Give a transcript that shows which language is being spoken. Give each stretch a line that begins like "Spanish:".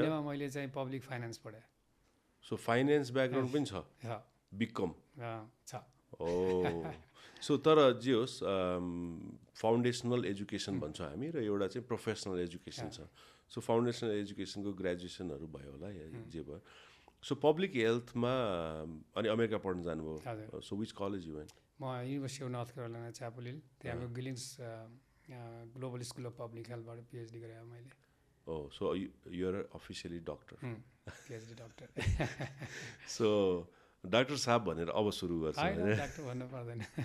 Nepali: इन्डियामा मैले चाहिँ पब्लिक फाइनेन्स पढेँ। सो फाइनेन्स ब्याकग्राउन्ड पनि छ?
English: बिकम
Nepali: छ। ओ सो तर जे होस् फाउन्डेसनल एजुकेसन भन्छ हामी र एउटा चाहिँ प्रोफेसनल एजुकेसन छ। सो फाउन्डेसनल एजुकेसनको ग्रेजुएसनहरू भयो होला जे भयो। सो पब्लिक हेल्थमा अनि अमेरिका पढ्न जानुभयो?
English: So which college you went? म University of North Carolina Chapel Hill, त्यहाँको Gillings Global School of Public हेल्थबाट PhD गरेँ मैले। Oh so you're officially doctor, PhD doctor.
Nepali: So doctor साहब भनेर अब सुरु गर्छ होइन, डाक्टर भन्नु पर्दैन।